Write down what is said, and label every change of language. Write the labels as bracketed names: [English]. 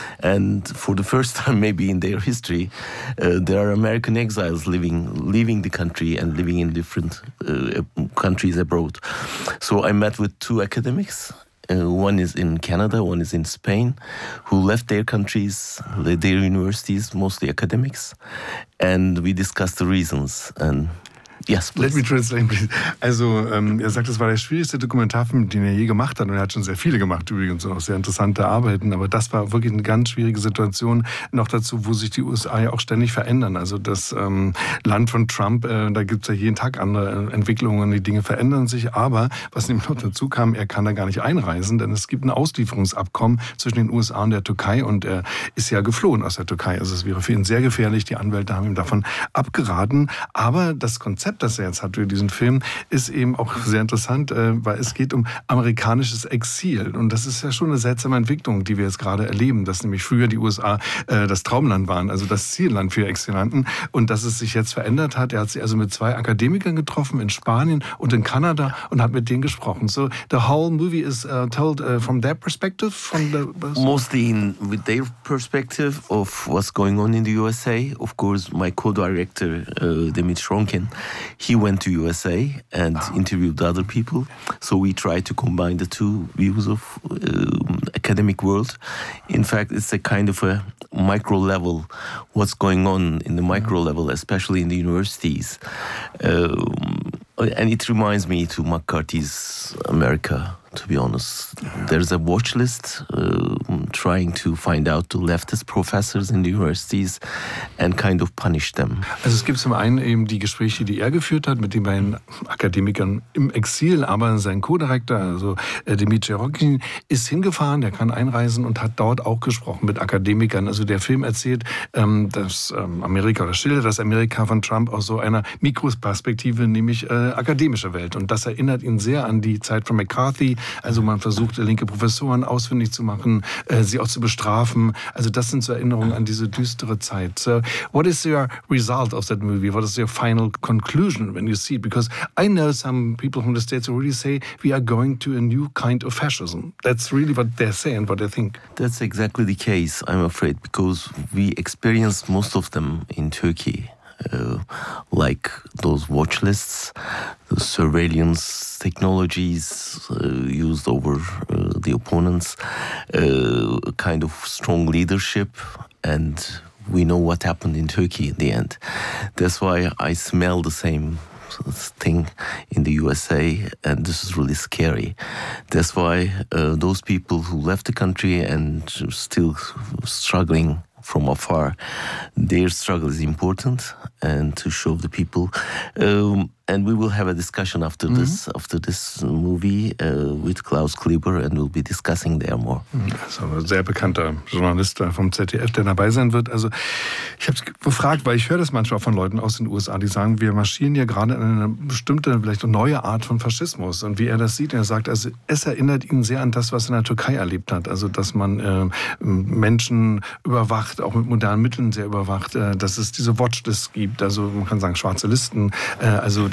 [English] And for the first time, maybe in their history, there are American exiles leaving the country and living in different countries abroad. So I met with two academics. One is in Canada, one is in Spain, who left their countries, their universities, mostly academics. And we discussed the reasons. And yes, please. Let me translate, please. [German] Also, er sagt, es war der schwierigste Dokumentarfilm, den er je gemacht hat. Und er hat schon sehr viele gemacht, übrigens, und auch sehr interessante Arbeiten. Aber das war wirklich eine ganz schwierige Situation. Noch dazu, wo sich die USA ja auch ständig verändern. Also das Land von Trump, da gibt es ja jeden Tag andere Entwicklungen. Die Dinge verändern sich. Aber was ihm noch dazu kam, er kann da gar nicht einreisen, denn es gibt ein Auslieferungsabkommen zwischen den USA und der Türkei. Und er ist ja geflohen aus der Türkei. Also es wäre für ihn sehr gefährlich. Die Anwälte haben ihm davon abgeraten. Aber das Konzept, das er jetzt hat für diesen Film, ist eben auch sehr interessant, weil es geht um amerikanisches Exil. Und das ist ja schon eine seltsame Entwicklung, die wir jetzt gerade erleben, dass nämlich früher die USA das Traumland waren, also das Zielland für Exilanten, und dass es sich jetzt verändert hat. Er hat sich also mit zwei Akademikern getroffen in Spanien und in Kanada und hat mit denen gesprochen. [English] So the whole movie is told from their perspective? Mostly with their perspective of what's going on in the USA. Of course, my co-director Dimitri Shronkin, he went to USA and interviewed other people. So we tried to combine the two views of academic world. In fact, it's a kind of a micro level, what's going on in the micro level, especially in the universities. And it reminds me to McCarthy's America, to be honest. There's a watch list trying to find out the leftist professors in the universities and kind of punish them. [German] Also es gibt zum einen eben die Gespräche, die er geführt hat mit den beiden Akademikern im Exil, aber sein Co-Direktor, also Dimitri Rokin, ist hingefahren, der kann einreisen und hat dort auch gesprochen mit Akademikern. Also der Film erzählt, dass Amerika, oder schildert das Amerika von Trump aus so einer Mikroperspektive, nämlich akademische Welt. Und das erinnert ihn sehr an die Zeit von McCarthy. Also man versucht, linke Professoren ausfindig zu machen, sie auch zu bestrafen. Also das sind so Erinnerungen an diese düstere Zeit. [English] So, what is your result of that movie? What is your final conclusion when you see it? Because I know some people from the States already say we are going to a new kind of fascism. That's really what they say and what they think. That's exactly the case, I'm afraid, because we experienced most of them in Turkey. Like those watch lists, the surveillance technologies used over the opponents, kind of strong leadership, and we know what happened in Turkey in the end. That's why I smell the same thing in the USA, and this is really scary. That's why those people who left the country and still struggling from afar, their struggle is important, and to show the people. And we will have a discussion after this movie with Klaus Kleber, and we'll be discussing there more. [German] Also ein sehr bekannter Journalist vom ZDF, der dabei sein wird. Also ich habe gefragt, weil ich höre das manchmal von Leuten aus den USA, die sagen, wir marschieren ja gerade in eine bestimmte, vielleicht eine neue Art von Faschismus. Und wie er das sieht, er sagt, also es erinnert ihn sehr an das, was er in der Türkei erlebt hat. Also dass man Menschen überwacht, auch mit modernen Mitteln sehr überwacht, dass es diese Watchlists gibt, also man kann sagen schwarze Listen, also